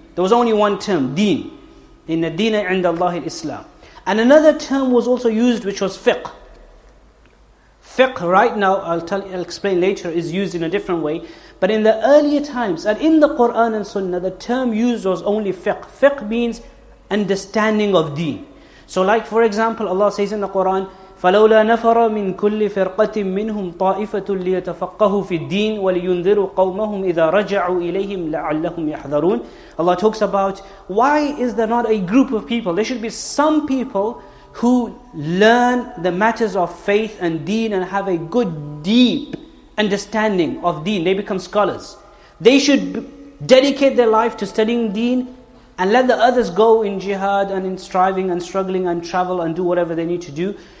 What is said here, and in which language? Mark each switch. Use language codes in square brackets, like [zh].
[en] There was only one term, deen. [ar] Inna deena inda Allahi al-Islam. [en] And another term was also used, which was fiqh. Fiqh right now, I'll explain later, is used in a different way. But in the earlier times, and in the Qur'an and Sunnah, the term used was only fiqh. Fiqh means understanding of deen. [ar] So like, for example, Allah says in the Qur'an, فَلَوْلَا نَفَرَ مِنْ كُلِّ فِرْقَةٍ مِّنْهُمْ طَائِفَةٌ لِيَتَفَقَّهُ فِي الدِّينِ وَلِيُنذِرُوا قَوْمَهُمْ إِذَا رَجَعُوا إِلَيْهِمْ لَعَلَّهُمْ يَحْذَرُونَ. [en] Allah talks about, why is there not a group of people? There should be some people who learn the matters of faith and deen and have a good, deep understanding of deen. They become scholars. They should dedicate their life to studying deen and let the others go in jihad and in striving and struggling and travel and do whatever they need to do.